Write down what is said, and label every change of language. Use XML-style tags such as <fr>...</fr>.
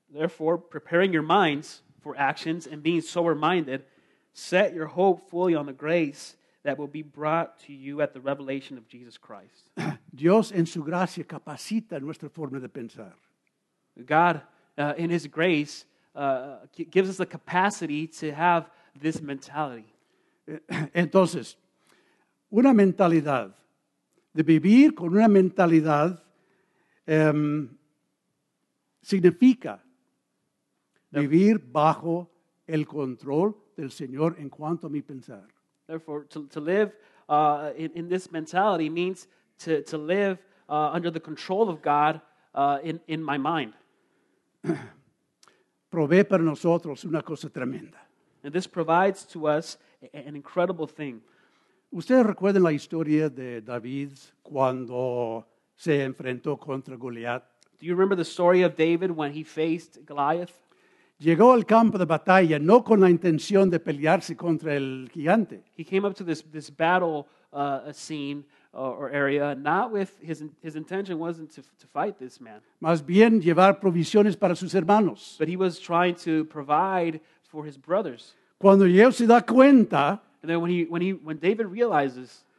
<en>Therefore, preparing your minds for actions and being sober-minded, set your hope fully on the grace that will be brought to you at the revelation of Jesus Christ.</en> <es>Dios en su gracia capacita nuestra forma de pensar.</es> <en>God, in His grace, gives us the capacity to have this mentality.</en> <es>Entonces, una mentalidad, de vivir con una mentalidad, significa vivir bajo el control del Señor en cuanto a mi pensar.</es> <en>Therefore, to live in this mentality means to live under the control of God in my mind.</en> <es>Provee para nosotros una cosa tremenda.</es> <en>And this provides to us an incredible thing.</en> <es>¿Ustedes recuerdan la historia de David cuando se enfrentó contra Goliat?</es> <en>Do you remember the story of David when he faced Goliath?</en> <es>Llegó al campo de batalla no con la intención de pelearse contra el gigante.</es> <en>He came up to this battle scene or area not with his intention wasn't to fight this man.</en> <es>Más bien llevar provisiones para sus hermanos.</es> <en>But he was trying to provide for his brothers.</en> <es>Cuando él se da cuenta,</es> <en>and then when David realizes</en>